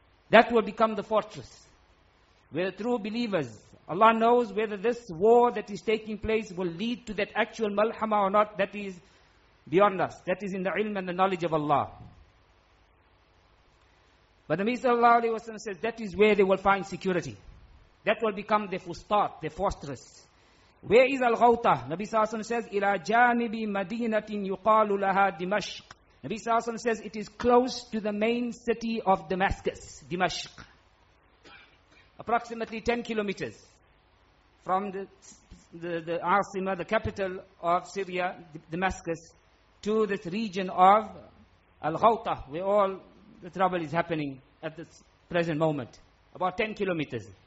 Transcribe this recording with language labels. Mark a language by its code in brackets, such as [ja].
[en] That will become the fortress. Where the true believers, Allah knows whether this war that is taking place will lead to that actual malhama or not. That is beyond us. That is in the ilm and the knowledge of Allah. But the Prophet sallallahu alaihi wasallam says that is where they will find security. That will become the fustat, the fortress. Where is Al-Ghawta? [ar] Nabi sallallahu alaihi wasallam says, إِلَى جَانِبِ مَدِينَةٍ يُقَالُ لَهَا دِمَشْقِ. [en] Nabi sallallahu alaihi wasallam says, it is close to the main city of Damascus, Dimashq. Approximately 10 kilometers from the Asima, the capital of Syria, Damascus, to this region of Al-Ghawta, where all the trouble is happening at this present moment. About 10 kilometers.